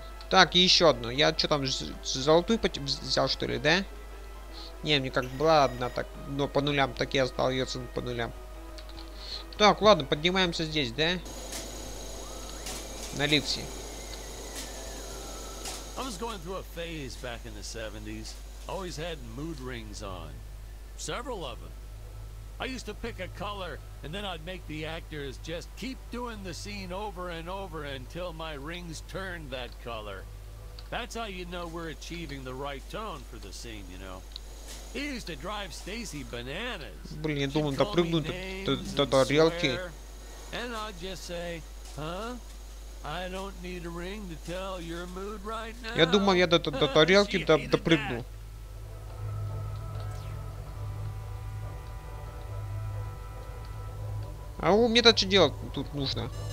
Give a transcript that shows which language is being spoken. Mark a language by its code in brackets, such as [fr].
[ru] Так, и еще одно. Я что там, золотую взял, что ли, да? Не, мне как была одна, так, но по нулям, так и остается по нулям. Так, ладно, поднимаемся здесь, да? На лифте. [en] I was going through a phase back in the 70s. Always had mood rings on. Several of them. I used to pick a color, and then I'd make the actors just keep doing the scene over and over until my rings turned that color. That's how you know we're achieving the right tone for the scene, you know. It used to drive Stacy bananas. [ru] Блин, я думал, допрыгнуть до тарелки. [en] And I'd just say, huh? I don't need a ring to tell your mood right now. [ru] Я думал, я до тарелки допрыгну. А у меня-то что делать тут нужно?